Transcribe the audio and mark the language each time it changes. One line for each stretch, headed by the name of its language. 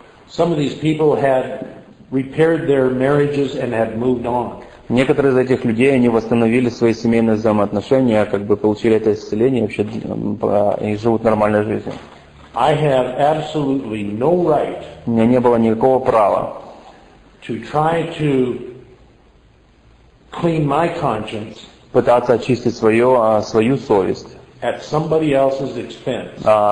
English: Some of these people had repaired their marriages and had moved on.
Russian: Некоторые из этих людей, они восстановили свои семейные взаимоотношения, как бы получили это исцеление, вообще, и живут нормальной жизнью.
English: I have absolutely no right.
Russian: У меня не было никакого права.
English: To try to clean my conscience.
Russian: Пытаться очистить свою совесть.
English: At somebody else's expense.